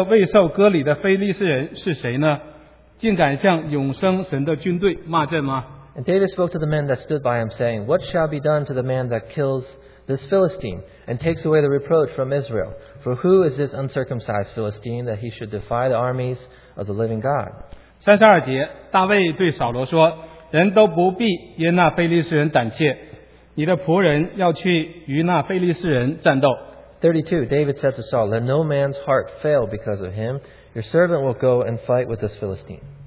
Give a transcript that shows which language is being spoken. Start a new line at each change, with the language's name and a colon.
Chinese: 大卫问站在旁边的人说：“这人，有人杀这非利士人，除掉以色列人的耻辱，怎样待他呢？这未受割礼的非利士人是谁呢？” 竟敢向永生神的军队骂阵吗？
English: And David spoke to the men that stood by him, saying, What shall be done to the man that kills this Philistine and takes away the reproach from Israel? For who is this uncircumcised Philistine that he should defy the armies of the living God?
Chinese: 32节，大卫对扫罗说：“人都不必因那非利士人胆怯，你的仆人要去与那非利士人战斗。”
English: 32, David said to Saul, Let no man's heart fail because of him. Your servant will go and fight with this Philistine.